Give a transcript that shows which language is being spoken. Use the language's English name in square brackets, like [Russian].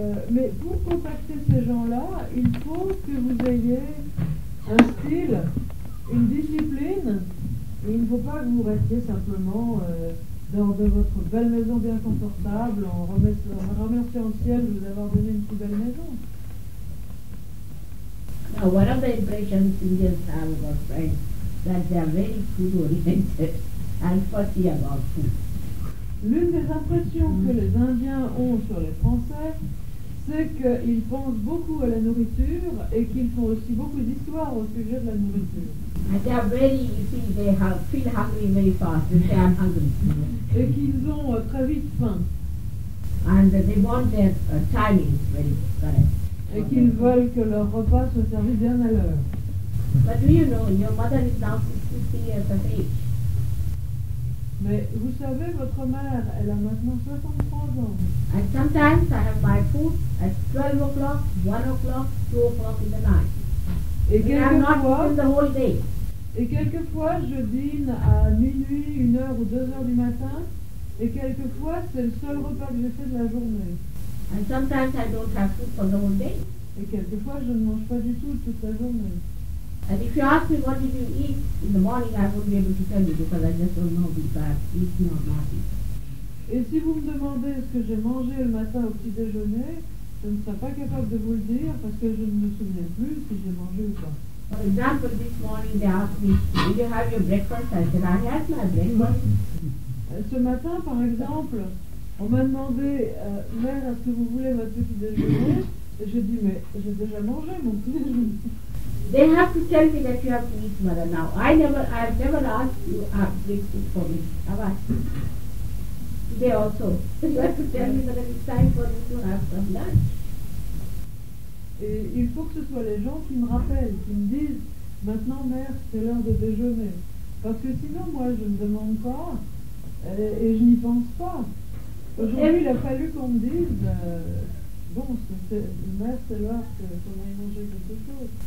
[French] Mais pour contacter ces gens-là, il faut que vous ayez un style, une discipline. Et il ne faut pas que vous restiez simplement dans de votre belle maison bien confortable en remerciant le ciel de vous avoir donné une si belle maison. [English] Now, one of the impressions Indians have about French, that they are very food-oriented and fussy about food. [French] L'une des impressions que les Indiens ont sur les Français, c'est qu'ils pensent beaucoup à la nourriture et qu'ils font aussi beaucoup d'histoires au sujet de la nourriture. [English] And they are very, you see, they have, feel hungry very fast. They say, I'm hungry. [French] Et qu'ils ont très vite faim. [English] And they want their timing very correct. [French] Et qu'ils veulent que leur repas soit servi bien à l'heure. [English] But do you know, your mother is now 60 years of age. [French] Mais vous savez, votre mère, elle a maintenant 63 ans. [English] And sometimes I have my food at 12 o'clock, 1 o'clock, 2 o'clock in the night. [French] Et quelquefois, [English] the whole day. [French] Et quelquefois, je dîne à minuit, 1h ou 2h du matin. Et quelquefois, c'est le seul repas que j'ai fait de la journée. [English] And sometimes I don't have food for the whole day. [French] Et quelquefois, je ne mange pas du tout toute la journée. [English] And if you ask me what did you eat in the morning, I won't be able to tell you because I just don't know if I've eaten or not eaten. [French] Et si vous me demandez ce que j'ai mangé le matin au petit déjeuner, je ne serai pas capable de vous le dire parce que je ne me souviens plus si j'ai mangé ou pas. [English] For example, this morning they asked me, did you have your breakfast? I said, I had my breakfast. [French] Ce matin, par exemple, on m'a demandé, mère, est-ce que vous voulez votre petit déjeuner? Et j'ai dit, mais j'ai déjà mangé mon petit déjeuner. [English] They have to tell me that you have to eat, mother, now. I've never asked you to have breakfast for me. Have I? Today also. You have to tell me that it's time for me to have some lunch. [French] Et il faut que ce soit les gens qui me rappellent, qui me disent, maintenant, mère, c'est l'heure de déjeuner. Parce que sinon, moi, je ne demande pas et je n'y pense pas. Aujourd'hui, il a fallu qu'on me dise, bon, mère, c'est l'heure qu'on aille manger quelque chose.